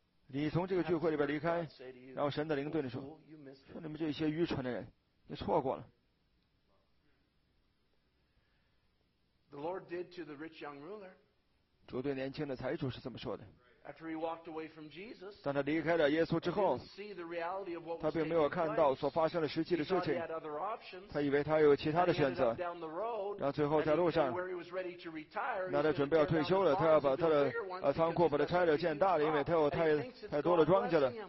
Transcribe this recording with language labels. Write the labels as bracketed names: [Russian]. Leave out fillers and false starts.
[Chinese] 你从这个聚会里边离开，然后神的灵对你说，说你们这些愚蠢的人，你错过了。 [English] The Lord did to the rich young ruler. [Chinese] 主对年轻的财主是这么说的。 [English] After he walked away from Jesus, [Chinese] 当他离开了耶稣之后，他并没有看到所发生的实际的事情。他以为他有其他的选择。然后最后在路上，那他准备要退休了，他要把他的仓库把它拆了建大了，因为他有太多的庄稼了。